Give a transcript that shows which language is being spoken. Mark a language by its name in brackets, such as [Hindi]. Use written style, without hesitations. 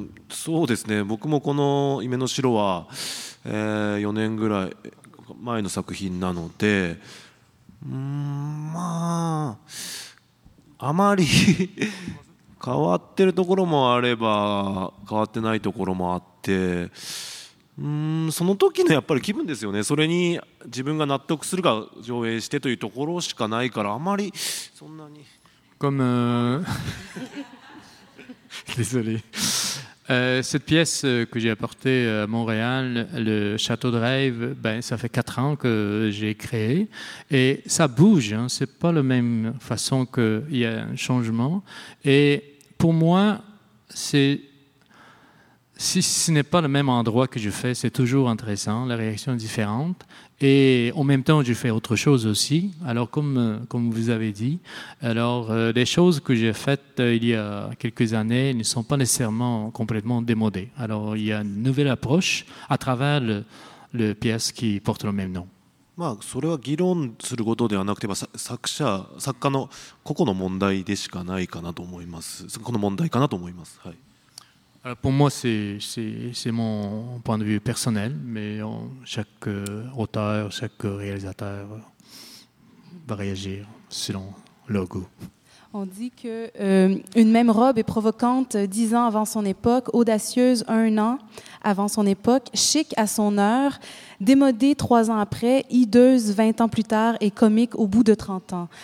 [Japanese] そうですね僕もこの夢の城は、4年ぐらい前の作品なのでまああまり変わってるところもあれば変わってないところもあってその時のやっぱり気分ですよねそれに自分が納得するか上映してというところしかないからあまりそんなにごめん [French] Désolé. Cette pièce que j'ai apportée à Montréal, le Château de rêve, ben, ça fait 4 ans que j'ai créé. Et ça bouge, hein. C'est pas la même façon qu'il y a un changement. Et pour moi, si ce n'est pas le même endroit que je fais, c'est toujours intéressant, la réaction est différente. Et en même temps, je fais autre chose aussi. Alors, comme vous avez dit, alors, les choses que j'ai faites il y a quelques années ne sont pas nécessairement complètement démodées. Alors, il y a une nouvelle approche à travers le pièce qui porte le même nom. [Japanese] まあ、それは議論することではなくて、まあ、作家の個々の問題でしかないかなと思います。この問題かなと思います。はい。 [French] Alors pour moi, c'est mon point de vue personnel, mais chaque auteur, chaque réalisateur va réagir selon leur goût. On dit qu'une même robe est provocante 10 ans avant son époque, audacieuse 1 an avant son époque, chic à son heure, démodée 3 ans après, hideuse 20 ans plus tard et comique au bout de 30 ans.